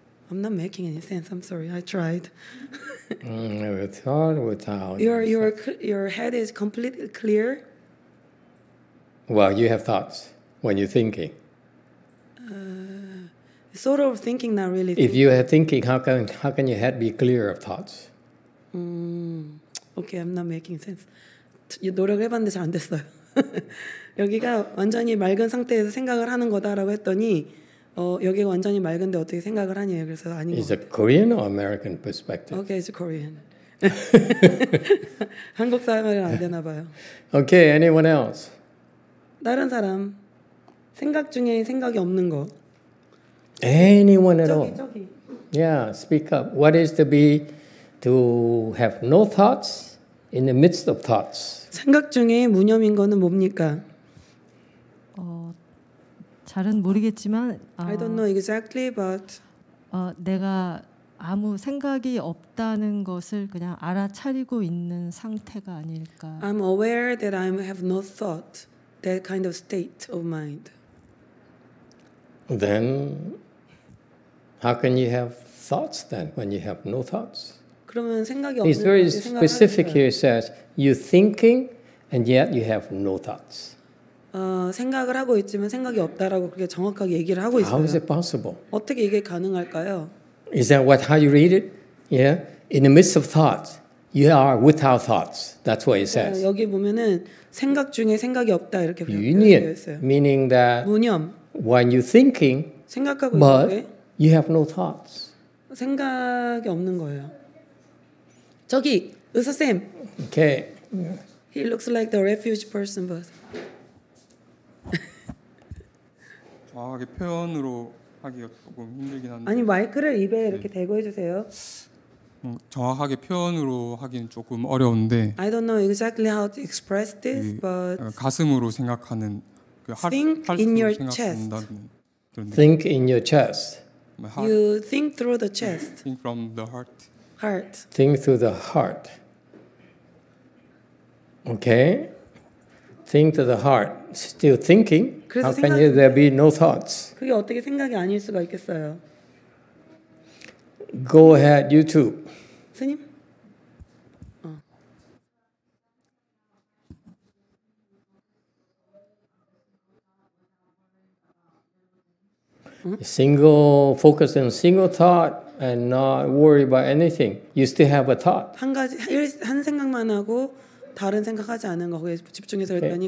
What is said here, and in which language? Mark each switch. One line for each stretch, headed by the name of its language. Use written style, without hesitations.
English: I'm not making any sense. I'm sorry. I tried. Your head is completely clear. Well, you have thoughts when you're thinking. Sort of thinking, not really. If you are thinking, how can your head be clear of thoughts? Okay, I'm not making sense.
Korean: 노력을 해봤는데 잘 안 됐어요. 여기가 완전히 맑은 상태에서 생각을 하는 거다라고 했더니. 여기가 완전히 맑은데 어떻게 생각을 하냐 그래서 아닌 것 같아요.
English: Is it Korean or American perspective? Okay, it's Korean.
Korean: 한국 사람은 안 되나 봐요.
English: Okay, anyone else?
Korean: 다른 사람 생각 중에 생각이 없는 거.
English: Anyone at all?
Korean: 저기.
English: Yeah, speak up. What is to be to have no thoughts in the midst of thoughts?
Korean: 생각 중에 무념인 거는 뭡니까? 잘은 모르겠지만
English: I don't know exactly but
Korean: 내가 아무 생각이 없다는 것을 그냥 알아차리고 있는 상태가 아닐까.
English: I'm aware that I have no thought. That kind of state of mind. Then how can you have thoughts then when you have no thoughts?
Korean: 그러면 생각이 없는
English: It's very specific here. It says you're thinking and yet you have no thoughts.
Korean: 생각을 하고 있지만 생각이 없다라고 그렇게 정확하게 얘기를 하고 있어요.
English: How is it possible?
Korean: 어떻게 이게 가능할까요?
English: Is that what how you read it? Yeah. In the midst of thoughts, you are without thoughts. That's what it says.
Korean: 여기 보면은 생각 중에 생각이 없다 이렇게
English: Union,
Korean: 되어 있어요.
English: Meaning that
Korean: 무념.
English: When you're thinking,
Korean: 생각하고
English: but
Korean: 있는데,
English: you have no thoughts.
Korean: 생각이 없는 거예요. 저기 의사 쌤.
English: Okay. He looks like the refuge person, but.
Korean: 이게 표현으로 하기가 조금 힘들긴 한데 아니 마이크를 입에 네. 이렇게 대고 해주세요. 정확하게 표현으로 하기는 조금 어려운데.
English: I don't know exactly how to express this, but
Korean: 가슴으로 생각하는
English: 그 heart, think in your chest. Think in your chest. You think through the chest. Think from the heart. Heart. Think through the heart. Okay. Think to the heart. Still thinking. How can there be no thoughts?
Korean: 그게 어떻게 생각이 아닐 수가 있겠어요?
English: Go ahead, YouTube.
Korean: 스님. 어.
English: Single focus on single thought and not worry about anything. You still have a thought.
Korean: 한 가지 한 생각만 하고 다른 생각하지 않은 거에 집중해서 했더니 okay.